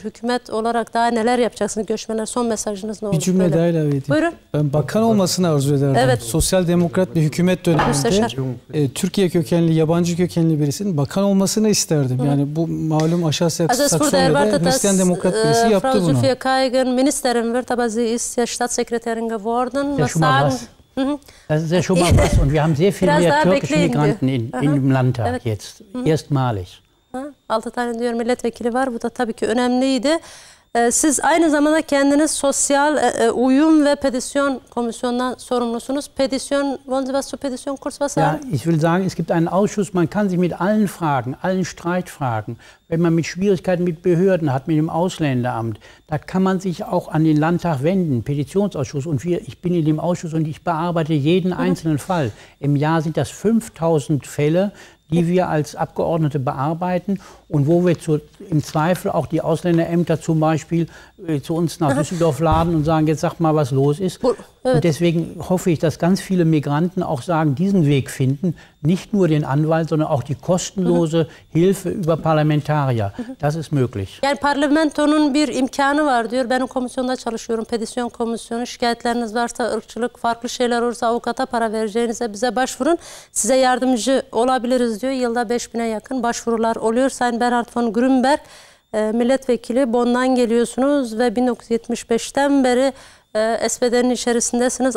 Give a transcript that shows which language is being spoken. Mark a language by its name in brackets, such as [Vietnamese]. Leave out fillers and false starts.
[Turkish] Hükümet olarak daha neler yapacaksınız? Göçmenler son mesajınız ne olur? Bir cümle daha ilave edeyim. Buyurun. Ben bakan olmasını arzu ederim. Evet. Sosyal demokrat bir hükümet döneminde müsteşar. Türkiye kökenli, yabancı kökenli birisinin bakan olmasını isterdim. Hı. Yani bu malum aşağı Saksonya'da Hristiyan demokrat birisi yaptı bunu. [German] Zülfiye Kaygın, ministerin wird, aber sie ist ja Staatssekretärin geworden. Ja, schon mal was. Das ist ja schon mal was. Und wir haben sehr viele türkische Migranten im Landtag jetzt. Erstmalig. [Turkish] 6 tane diyor milletvekili var. Bu da tabii ki önemliydi. Siz aynı zamanda kendiniz sosyal uyum ve petisyon komisyonundan sorumlusunuz. [German] Petisyon, wollen Sie was zu petisyon kurz was sagen? Ja, ich will sagen, es gibt einen Ausschuss, man kann sich mit allen Fragen, allen Streitfragen, wenn man mit Schwierigkeiten mit Behörden hat, mit dem Ausländeramt, da kann man sich auch an den Landtag wenden, Petitionsausschuss. Und ich bin in dem Ausschuss und ich bearbeite jeden einzelnen Fall. Im Jahr sind das 5000 Fälle, die wir als Abgeordnete bearbeiten und wo wir im Zweifel auch die Ausländerämter zum Beispiel zu uns nach Düsseldorf laden und sagen, jetzt sag mal, was los ist. Und deswegen hoffe ich, dass ganz viele Migranten auch sagen, diesen Weg finden, nicht nur den Anwalt, sondern auch die kostenlose Hilfe über Parlamentarier. Das ist möglich. [Turkish] Yani parlamentonun bir imkanı var diyor. Ben o komisyonda çalışıyorum, petisyon komisyonu. Şikayetleriniz varsa, ırkçılık, farklı şeyler olursa avukata para vereceğinize bize başvurun. Size yardımcı olabiliriz diyor. Yılda 5000'e yakın başvurular oluyor. Sayın Bernhard von Grünberg, milletvekili Bonn'dan geliyorsunuz ve 1975'ten beri SPD'nin içerisindesiniz.